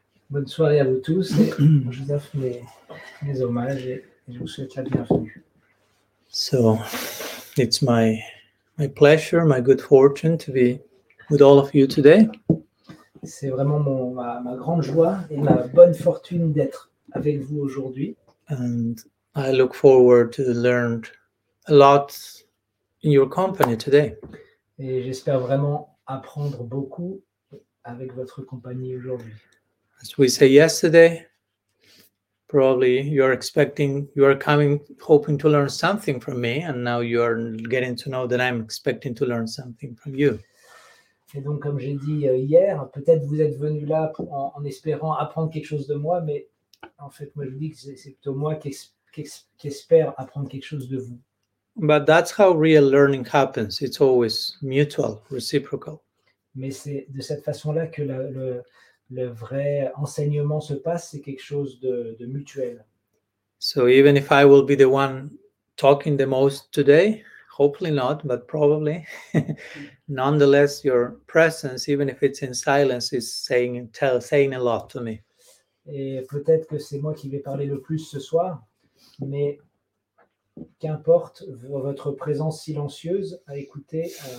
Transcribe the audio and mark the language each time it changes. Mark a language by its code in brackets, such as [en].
[fr] Bonne soirée à vous tous et je vous offre mes hommages et je vous souhaite la bienvenue. [en] So it's my pleasure, my good fortune to be with all of you today. [fr] C'est vraiment ma grande joie et ma bonne fortune d'être avec vous aujourd'hui. [en] And I look forward to learn a lot in your company today. [fr] Et j'espère vraiment apprendre beaucoup avec votre compagnie aujourd'hui. [en] As we say yesterday, probably you are expecting, you are coming, hoping to learn something from me, and now you are getting to know that I'm expecting to learn something from you. [fr] Et donc, comme j'ai dit hier, peut-être vous êtes venu là en espérant apprendre quelque chose de moi, mais en fait, moi je dis que c'est plutôt moi qui espère apprendre quelque chose de vous. [en] But that's how real learning happens. It's always mutual, reciprocal. [fr] Mais c'est de cette façon-là que le vrai enseignement se passe. C'est quelque chose de mutuel. [en] So even if I will be the one talking the most today, hopefully not, but probably, nonetheless, your presence, even if it's in silence, is saying a lot to me. [fr] Et peut-être que c'est moi qui vais parler le plus ce soir, mais qu'importe, votre présence silencieuse à écouter